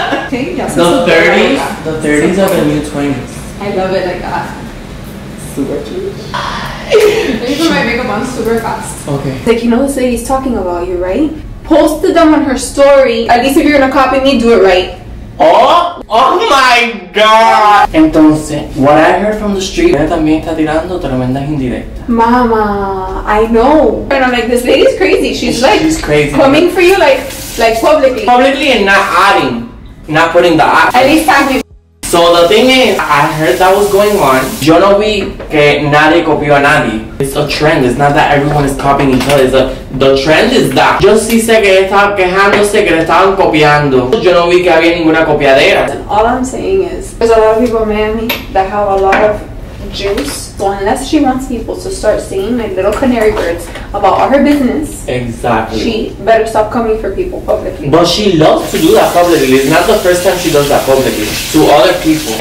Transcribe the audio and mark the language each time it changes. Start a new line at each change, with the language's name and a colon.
English: Yeah, so the 30s, the 30s so cool. Of the new 20s. I love it like that. Super cute. I need to put my makeup on super fast. Okay. Like, you know this lady's talking about you, right? Posted them on her story. At least if you're gonna copy me, do it right. Oh my god!
Spanish: Entonces,
English: what I heard from the street,
Spanish: ella también está tirando tremendas indirectas.
English: Mama, I know. And I'm like, this lady's crazy. She's crazy. Coming for you like publicly. Publicly and not adding. Not putting the app. At least tag me. So the thing is, I heard that was going on.
Spanish: Yo no vi que nadie copió a nadie.
English: It's a trend. It's not that everyone is copying each other. The trend is that.
Spanish: Yo sí sé que estaban quejándose que le estaban copiando. Yo no vi que había ninguna copiadera.
English: All I'm saying is, there's a lot of people in Miami that have a lot of juice. So unless she wants people to start saying like little canary birds about all her business. Exactly. She better stop coming for people publicly. But she loves to do that publicly. It's not the first time she does that publicly. To other people.